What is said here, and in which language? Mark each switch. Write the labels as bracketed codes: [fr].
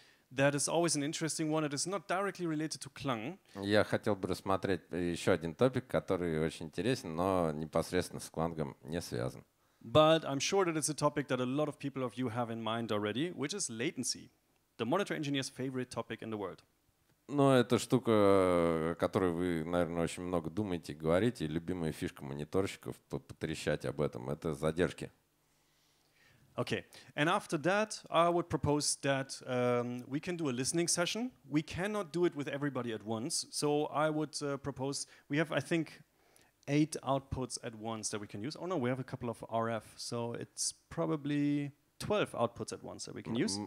[en] That is always an interesting one. It is not directly related to KLANG. [ru] Я хотел бы рассмотреть еще один топик, который очень интересен, но непосредственно с КЛАНГом не связан. [en] But I'm sure that it's a topic that a lot of people of you have in mind already, which is latency, the monitor engineer's favorite topic in the world. [ru] Но это штука, о которой вы, наверное, очень много думаете, говорите, и любимая фишка мониторщиков потрещать об этом. Это задержки. [en] Okay, and after that, I would propose that we can do a listening session. We cannot do it with everybody at once, so I would propose we have, I think, 8 outputs at once that we can use. Oh no, we have a couple of RF, so it's probably 12 outputs at once that we can use.